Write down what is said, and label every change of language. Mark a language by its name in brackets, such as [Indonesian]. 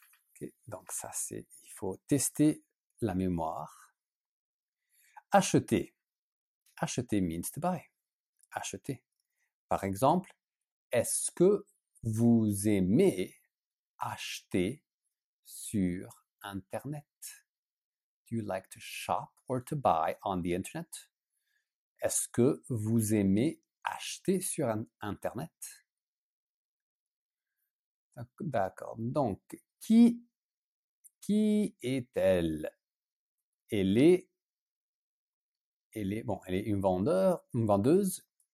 [French] Okay, donc ça, c'est, il faut tester la mémoire. Acheter. [English] Acheter means to buy. [French] Acheter. Par exemple, est-ce que vous aimez acheter sur Internet? [English] Do you like to shop or to buy on the Internet? [French] Est-ce que vous aimez acheter sur Internet? D'accord. Donc, qui est-elle? Elle est une vendeur, une vendeuse.